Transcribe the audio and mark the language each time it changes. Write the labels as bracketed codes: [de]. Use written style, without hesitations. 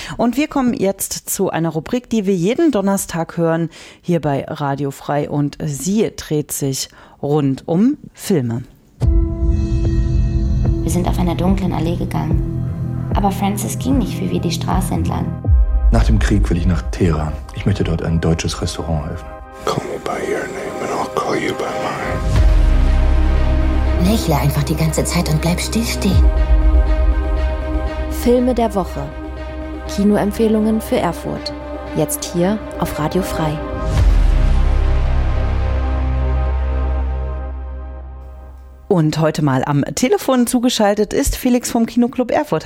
[de] Und wir kommen jetzt zu einer Rubrik, die wir jeden Donnerstag hören, hier bei Radio Frei. Und sie dreht sich rund um Filme. Wir sind auf einer dunklen Allee gegangen. Aber Francis ging nicht wie wir die Straße entlang. Nach dem Krieg will ich nach Teheran. Ich möchte dort ein deutsches Restaurant eröffnen. [en] Call me by your name and I'll call you by mine. [de] Lächle einfach die ganze Zeit und bleib stillstehen. Filme der Woche. Kinoempfehlungen für Erfurt. Jetzt hier auf Radio Frei. Und heute mal am Telefon zugeschaltet ist Felix vom Kinoclub Erfurt.